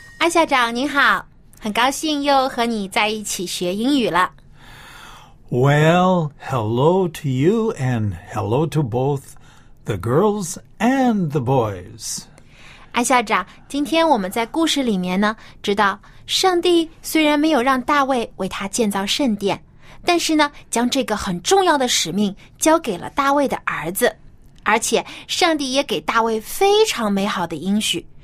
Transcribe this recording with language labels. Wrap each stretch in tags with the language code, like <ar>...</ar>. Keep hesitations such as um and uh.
<zh>校长您好，很高兴又和你在一起学英语了。</zh> <en>Well, hello to you and hello to both the girls and the boys。</en> <zh>安校长，今天我们在故事里面呢，知道上帝虽然没有让大卫为他建造圣殿，但是呢，将这个很重要的使命交给了大卫的儿子，而且上帝也给大卫非常美好的应许。</zh>